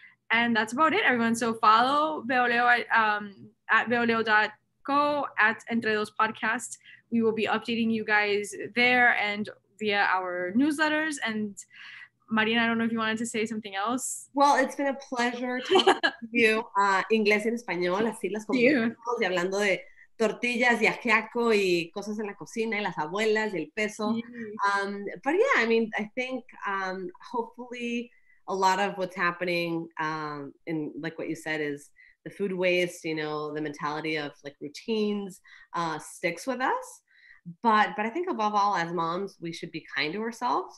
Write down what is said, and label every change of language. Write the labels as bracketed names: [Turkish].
[English] And that's about it, everyone. So follow Veoleo at veoleo.co, at Entre Dos Podcast. We will be updating you guys there and via our newsletters. And Marina, I don't know if you wanted to say something else. Well, it's been a pleasure talking to you. [Spanish] Inglés en español, así las comunicamos. Y hablando de tortillas y ajiaco y cosas en la cocina y las abuelas y el peso. [English] But yeah, I mean, I think hopefully a lot of what's happening in like what you said is the food waste, you know, the mentality of like routines sticks with us. But I think above all, as moms, we should be kind to ourselves.